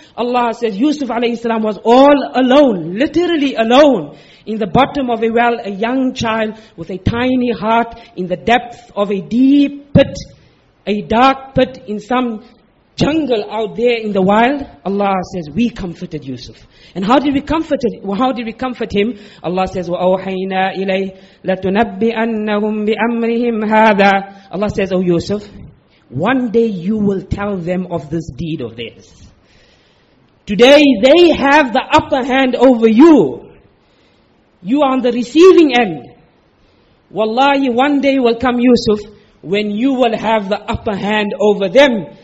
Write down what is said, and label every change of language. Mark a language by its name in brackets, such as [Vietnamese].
[English] Allah says Yusuf alayhi salam was all alone, literally alone, in the bottom of a well, a young child with a tiny heart in the depth of a deep pit, a dark pit in some jungle out there in the wild. Allah says, we comforted Yusuf. And how did we comfort him? Allah says, [Arabic] وَأَوْحَيْنَا إِلَيْهِ لَتُنَبِّئَنَّهُمْ بِأَمْرِهِمْ هَذَا. [English] Allah says, oh Yusuf, one day you will tell them of this deed of theirs. Today they have the upper hand over you. You are on the receiving end. Wallahi, one day will come, Yusuf, when you will have the upper hand over them.